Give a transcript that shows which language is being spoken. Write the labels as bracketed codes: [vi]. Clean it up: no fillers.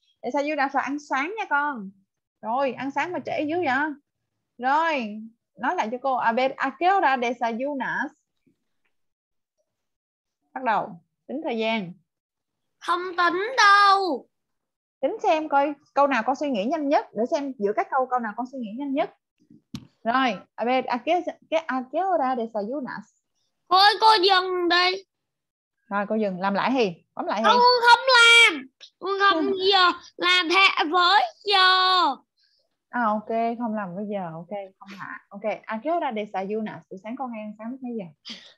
[vi] Desayunas là ăn sáng nha con. Rồi, ăn sáng mà trễ dữ vậy. Rồi, nói lại cho cô. [es] A ver, ¿a qué hora desayunas? [vi] Bắt đầu tính thời gian. Không tính đâu. Tính xem coi câu nào con suy nghĩ nhanh nhất, để xem giữa các câu câu nào con suy nghĩ nhanh nhất. Rồi, [es] a ver, ¿a qué hora desayunas? [vi] Thôi cô dừng đi. Rồi cô dừng, làm lại thì, bấm lại thì. Con không làm. Con không giờ làm thẻ với giờ. À ok, không làm bây giờ, ok, không hả. Ok, [es] ¿a qué hora desayunas? [vi] Buổi sáng con hay ăn sáng mấy giờ?